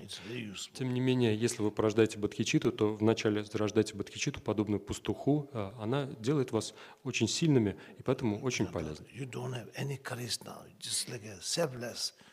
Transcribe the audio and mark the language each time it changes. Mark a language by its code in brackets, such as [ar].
[en] It's very useful. [ru] Тем не менее, если вы порождаете бодхичитту, то вначале зарождаете бодхичитту, подобную пастуху, она делает вас очень сильными и поэтому очень полезна. [en] You don't have any charisma, just like a selfless.